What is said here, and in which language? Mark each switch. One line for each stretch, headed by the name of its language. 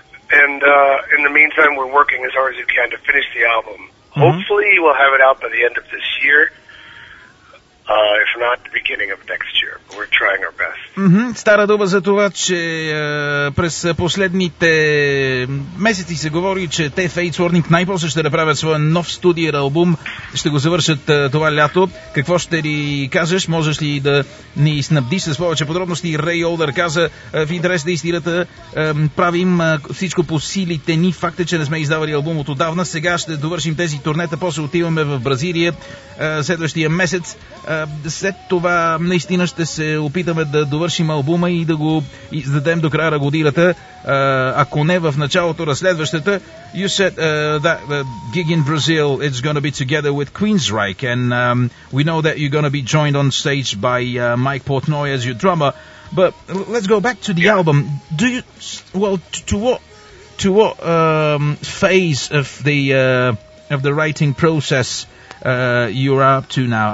English: And in the meantime, we're working as hard as we can to finish the album. Mm-hmm. Hopefully, we'll have it out by the end of this year. If not the beginning of next year, but we're trying our best. Mm-hmm.
Bulgarian: Стара дума за това, че през последните месеци се говори, че те Fates Warning най-после ще направят своя нов студиен албум, ще го завършат това лято. Какво ще ни кажеш? Можеш ли да ни снабдиш с повече подробности? Ray Older каза, в интерес на истината, правим всичко по силите ни. Факт е, че не сме издавали албум от отдавна. Сега ще довършим тези турнета, после отиваме в Бразилия следващия месец. След това наистина ще се опитаме да довършим албума и да го издадем до края на годината, ако не в началото на следващата.
English: You said that the gig in Brazil is going to be together with Queensryche, and we know that you're going to be joined on stage by Mike Portnoy as your drummer. But let's go back to the album. Do you to what phase of the writing process you're up to now?